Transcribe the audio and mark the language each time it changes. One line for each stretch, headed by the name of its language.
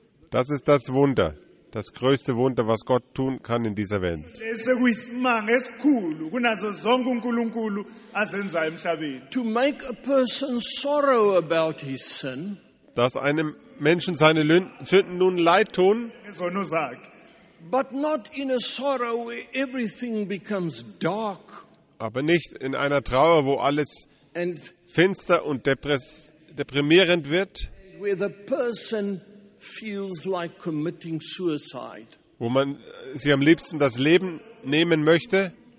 German: Das ist das Wunder, das größte Wunder, was Gott tun kann in dieser Welt.
English: To make a person sorrow about his sin,
German: dass einem Menschen seine Sünden nun leid tun,
English: but not in a sorrow where everything becomes dark,
German: aber nicht in einer Trauer, wo alles finster und deprimierend wird,
English: where the person feels like committing suicide.
German: Wo man sich am liebsten das Leben nehmen möchte,